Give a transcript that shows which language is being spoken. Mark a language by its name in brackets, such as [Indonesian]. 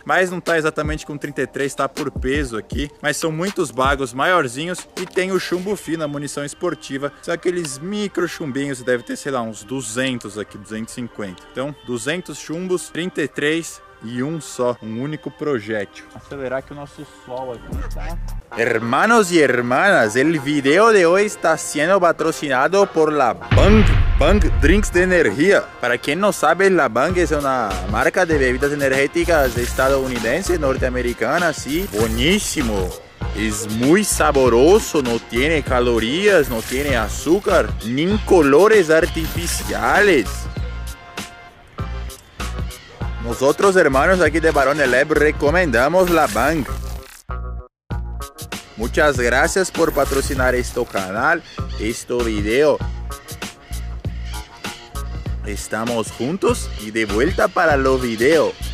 [Portuguese] Mas não tá exatamente com 33, tá por peso aqui. Mas são muitos bagos maiorzinhos. E tem o chumbo fino, a munição esportiva. São aqueles micro chumbinhos. Deve ter, sei lá, uns 200 aqui, 250. Então, 200 chumbos, 33 e um só, um único projétil. Acelerar que o nosso sol aqui tá... [Spanish] Hermanos e hermanas, el video de hoy está siendo patrocinado por la Bang Bang Drinks de Energía. Para quien no sabe, la Bang es una marca de bebidas energéticas estadounidense, norteamericana, sí. Buenísimo. Es muy saboroso, no tiene calorías, no tiene azúcar, ni colores artificiales. [Portuguese] Nós outros irmãos aqui de Barone Lab recomendamos La Bang. [Spanish] Muchas gracias por patrocinar este canal, este video. [Portuguese] Estamos juntos e de volta para o video.